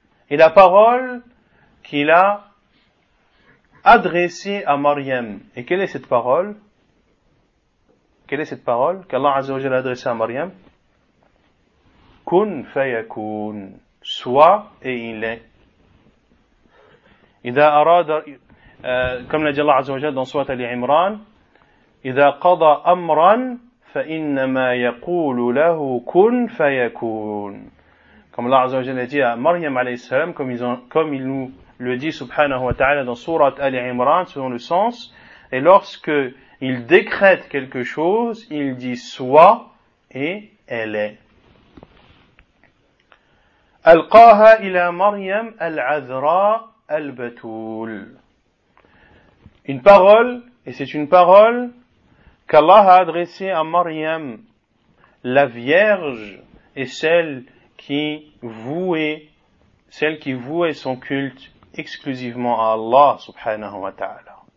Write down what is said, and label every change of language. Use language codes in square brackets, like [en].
[fr] Et la parole qu'il a adressée à Maryam. Et quelle est cette parole? Qu'Allah Azza wa Jalla a adressée à Maryam? [ar] كُنْ فَيَكُونَ. [fr] soit et il est. [ar] إذا أراد كما قال الله عز وجل في سورة آل عمران إذا قضى أمرا فإنما يقول له كن فيكون كما الله عز وجل قال مريم عليه السلام كما [fr] il nous le dit [ar] سبحانه وتعالى في سورة آل عمران [fr] selon le sens et lorsque il décrète quelque chose il dit soit et elle est. [ar] ألقاها إلى مريم العذراء البتول. [fr] Une parole, et c'est une parole qu'Allah a adressée à Maryam, la vierge, et celle qui vouait son culte exclusivement à Allah, subhanahu wa ta'ala.